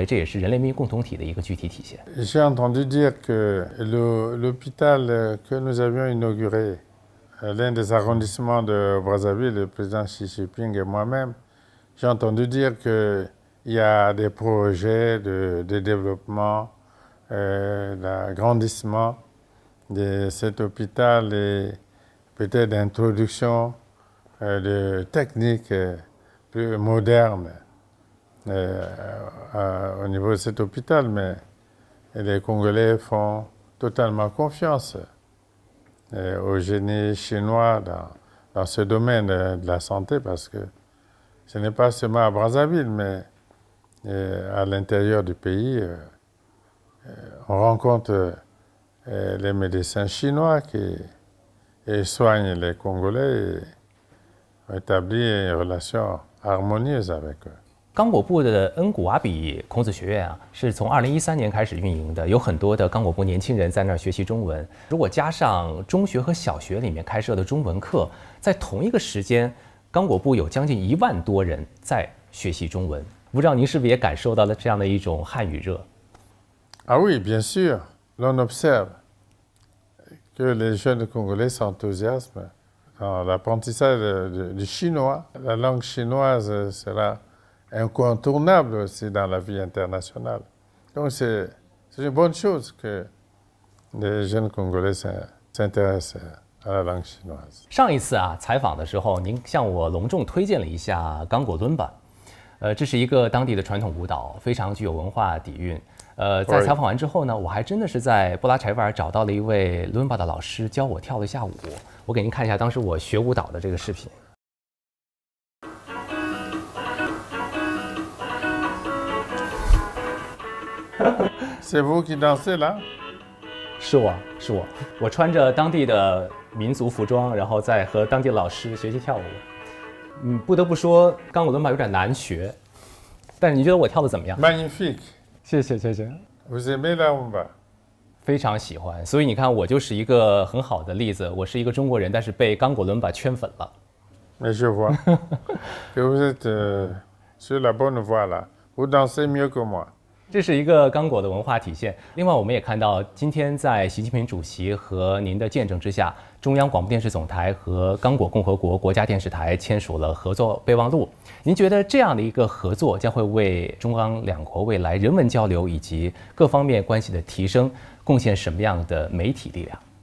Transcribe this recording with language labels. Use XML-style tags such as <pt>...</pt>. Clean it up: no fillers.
<zh>上一次去刚果部，我们还真的是去中央友好医院看了看，我们能够深刻感受到当地的患者对于中国医生的一种信任。医院针对刚果部，阳光比较强烈，眼科疾病高发的这样一个情况啊，还特别设置了中钢眼科中心来帮助当地很多的患者重获光明。您是不是也认为这也是人类命共同体的一个具体体现</zh> <fr>？J'ai entendu dire que l'hôpital que nous avions inauguré. L'un des arrondissements de Brazzaville, le président Xi Jinping et moi-même, j'ai entendu dire qu'il y a des projets de développement, d'agrandissement de cet hôpital et peut-être d'introduction de techniques plus modernes au niveau de cet hôpital. Mais les Congolais font totalement confiance. Au génie chinois dans ce domaine de la santé, parce que ce n'est pas seulement à Brazzaville, mais à l'intérieur du pays, on rencontre les médecins chinois qui soignent les Congolais et établissent une relation harmonieuse avec eux.</fr> <zh>刚果部的恩古瓦比孔子学院啊，是从2013年开始运营的，有很多的刚果部年轻人在那儿学习中文。如果加上中学和小学里面开设的中文课，在同一个时间，刚果部有将近10000多人在学习中文。不知道您是不是也感受到了这样的一种汉语热</zh> <fr>？Ah oui, bien sûr. L'on observe que les jeunes Congolais s'enthousiasment dans l'apprentissage du chinois. La langue chinoise sera incontournable aussi dans la vie internationale. Donc c'est une bonne chose que les jeunes Congolais s'intéressent à la langue chinoise.</fr> <zh>上一次啊，采访的时候，您向我隆重推荐了一下刚果伦巴。这是一个当地的传统舞蹈，非常具有文化底蕴。在采访完之后呢，我还真的是在布拉柴瓦尔找到了一位伦巴的老师，教我跳了一下舞。我给您看一下当时我学舞蹈的这个视频。</zh> <fr>C'est vous qui dansez là？</fr> <zh>是我，是我。我穿着当地的民族服装，然后在和当地的老师学习跳舞。不得不说，刚果伦巴有点难学，但是你觉得我跳的怎么样</zh> <fr>？Magnifique！</fr> <zh>谢谢谢谢。</zh> <fr>Vous aimez la rumba？</fr> <zh>非常喜欢。所以你看，我就是一个很好的例子。我是一个中国人，但是被刚果伦巴圈粉了。</zh> <fr>Mais je vois que vous êtes sur la bonne voie là. Vous dansez mieux que moi。</fr> <zh>这是一个刚果的文化体现。另外，我们也看到，今天在习近平主席和您的见证之下，中央广播电视总台和刚果共和国国家电视台签署了合作备忘录。您觉得这样的一个合作将会为中央两国未来人文交流以及各方面关系的提升贡献什么样的媒体力量？</zh>